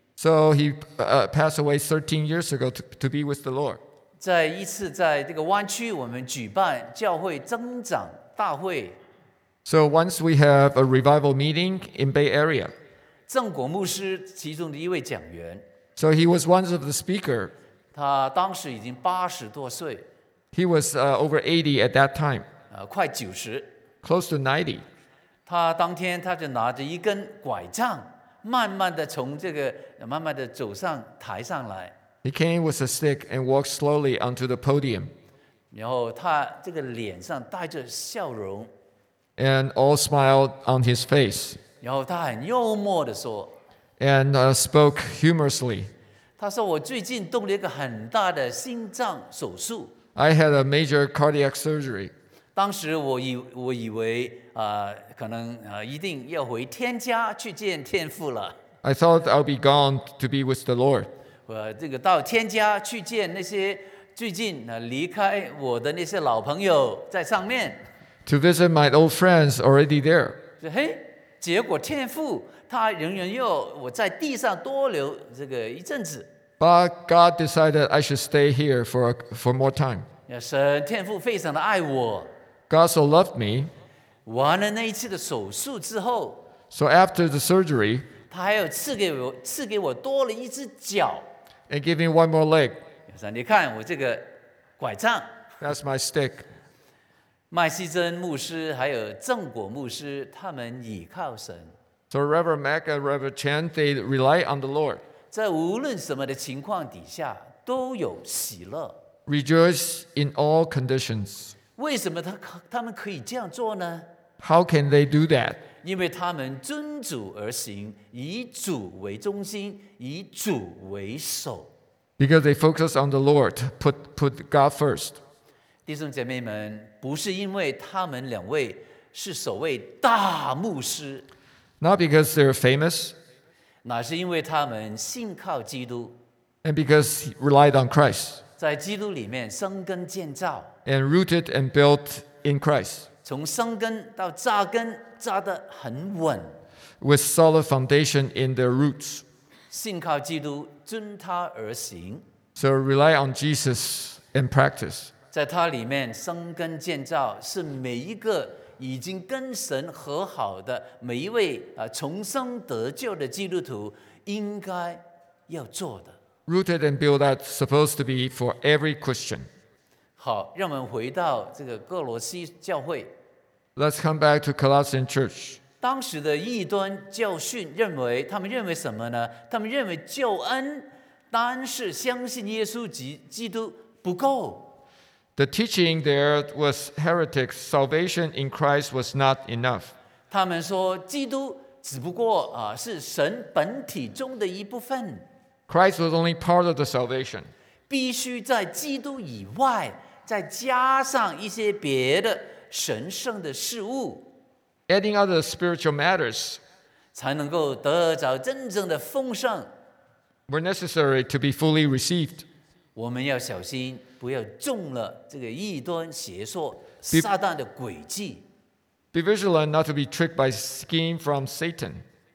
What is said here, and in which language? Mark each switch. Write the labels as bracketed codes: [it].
[en] So he passed away 13 years ago to be with the Lord. [zh] 在一次在这个湾区我们举办教会增长大会。 [en] So once we have a revival meeting in Bay Area. [zh] 郑果牧师其中的一位讲员。 [en] So he was one of the speaker. [zh] 他当时已经八十多岁。 [en] He was over 80 at that time. [zh] 快九十。 [en] Close to 90. [zh] 他当天他就拿着一根拐杖，慢慢的从这个慢慢的走上台上来。 [en] He came with a stick and walked slowly onto the podium. [zh] 然后他这个脸上带着笑容 [en] ，and all smiled on his face. [zh] 然后他很幽默的说 [en] ，and spoke humorously. [zh] 他说：“我最近动了一个很大的心脏手术。 [en] ”I had a major cardiac surgery. [zh] 当时我以为。可能一定要回天家去见天父了。 [en] I thought I'll be gone to be with the Lord. [zh] 这个到天家去见那些最近离开我的那些老朋友在上面。 [en] To visit my old friends already there. [zh] 嘿，结果天父他仍然要我在地上多留这个一阵子。 [en] But God decided I should stay here for more time. [zh] 神天父非常的爱我。 [en] God so loved me. [zh] 完了那一次的手术之后 [en] ，So after the surgery， [zh] 他还有赐给我多了一只脚 [en] ，And give me one more leg。 [zh] 你看我这个拐杖 [en] ，That's my stick。 [zh] 麦西珍牧师还有郑果牧师，他们倚靠神。 [en] So Reverend Mack and Reverend Chen they rely on the Lord。 [zh] 在无论什么的情况底下都有喜乐。 [en] Rejoice in all conditions。 [zh] 为什么他们可以这样做呢 [en] ？How can they do that？ [zh] 因为他们遵主而行，以主为中心，以主为首。 [en] Because they focus on the Lord, put God first. [zh] 弟兄姐妹们，不是因为他们两位是所谓大牧师。 [en] Not because they're famous. [zh] 乃是因为他们信靠基督。 [en] And because he relied on Christ. [zh] 在基督里面生根建造。 [en] And rooted and built in Christ. [zh] 从生根到扎根，扎得很稳。 [en] With solid foundation in their roots. [zh] 信靠基督，遵他而行。 [en] So rely on Jesus and practice. [zh] 在他里面生根建造，是每一个已经跟神和好的每一位重生得救的基督徒应该要做的。 [en] Rooted and built up supposed to be for every Christian. [zh] 好，让我们回到这个哥罗西教会。 [en] Let's come back to Colossian Church. [zh] 当时的异端教训认为，他们认为什么呢？他们认为救恩单是相信耶稣基督不够。 [en] The teaching there was heretics. Salvation in Christ was not enough. [zh] 他们说基督只不过是神本体中的一部分。 [en] Christ was only part of the salvation. [zh] 必须在基督以外再加上一些别的神圣的事物。 [en] Adding other spiritual matters [zh] 才能够得着真正的丰盛。 [en] were necessary to be fully received. [zh] 我们要小心，不要中了这个异端邪说撒旦的诡计。 [en] Be vigilant not to be tricked by scheme from Satan.